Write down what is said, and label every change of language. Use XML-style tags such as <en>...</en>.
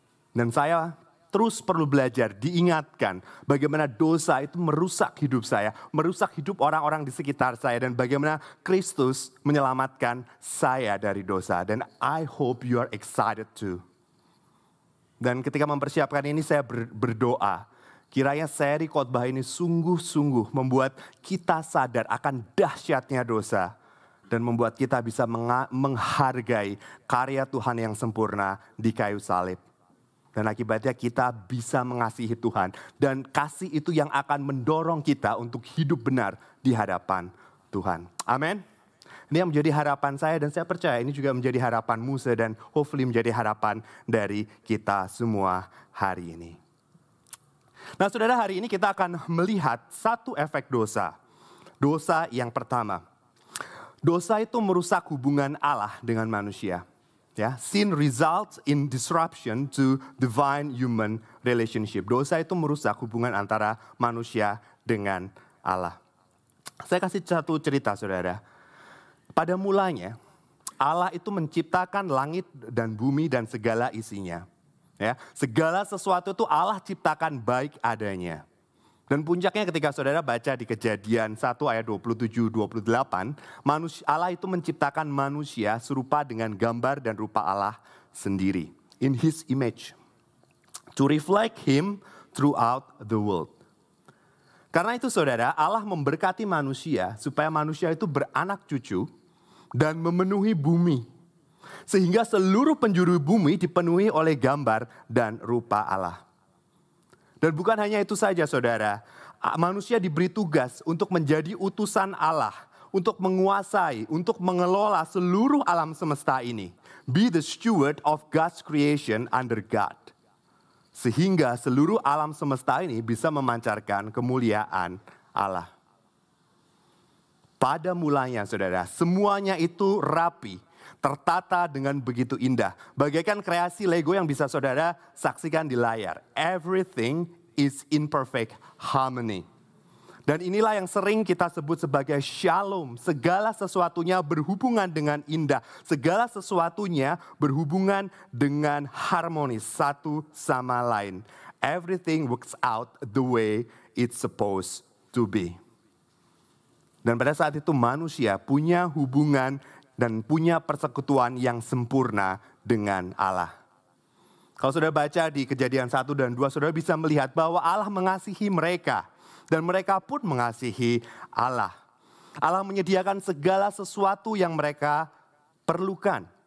<id>Dan saya terus perlu belajar, diingatkan bagaimana dosa itu merusak hidup saya, merusak hidup orang-orang di sekitar saya, dan bagaimana Kristus menyelamatkan saya dari dosa.</id> <en>Dan I hope you are excited too.</en> <id>Dan ketika mempersiapkan ini, saya berdoa, kiranya seri khotbah ini sungguh-sungguh membuat kita sadar akan dahsyatnya dosa, dan membuat kita bisa menghargai karya Tuhan yang sempurna di kayu salib. Dan akibatnya kita bisa mengasihi Tuhan. Dan kasih itu yang akan mendorong kita untuk hidup benar di hadapan Tuhan. Amin. Ini yang menjadi harapan saya, dan saya percaya ini juga menjadi harapan Musa. Dan hopefully menjadi harapan dari kita semua hari ini. Nah saudara, hari ini kita akan melihat satu efek dosa. Dosa yang pertama. Dosa itu merusak hubungan Allah dengan manusia.</id> <en>Ya, sin results in disruption to divine human relationship.</en> <id>Dosa itu merusak hubungan antara manusia dengan Allah. Saya kasih satu cerita, saudara. Pada mulanya, Allah itu menciptakan langit dan bumi dan segala isinya. Ya, segala sesuatu itu Allah ciptakan baik adanya. Dan puncaknya ketika saudara baca di Kejadian 1 ayat 27-28, Allah itu menciptakan manusia serupa dengan gambar dan rupa Allah sendiri.</id> <en>In his image. To reflect him throughout the world.</en> <id>Karena itu saudara, Allah memberkati manusia supaya manusia itu beranak cucu dan memenuhi bumi. Sehingga seluruh penjuru bumi dipenuhi oleh gambar dan rupa Allah. Dan bukan hanya itu saja saudara, manusia diberi tugas untuk menjadi utusan Allah, untuk menguasai, untuk mengelola seluruh alam semesta ini.</id> <en>Be the steward of God's creation under God.</en> <id>Sehingga seluruh alam semesta ini bisa memancarkan kemuliaan Allah. Pada mulanya saudara, semuanya itu rapi, tertata dengan begitu indah. Bagaikan kreasi Lego yang bisa saudara saksikan di layar.</id> <en>Everything is in perfect harmony.</en> <id>Dan inilah yang sering kita sebut sebagai shalom. Segala sesuatunya berhubungan dengan indah. Segala sesuatunya berhubungan dengan harmonis satu sama lain.</id> <en>Everything works out the way it's supposed to be.</en> <id>Dan pada saat itu manusia punya hubungan dan punya persekutuan yang sempurna dengan Allah. Kalau sudah baca di Kejadian 1 dan 2, saudara bisa melihat bahwa Allah mengasihi mereka. Dan mereka pun mengasihi Allah. Allah menyediakan segala sesuatu yang mereka perlukan.</id>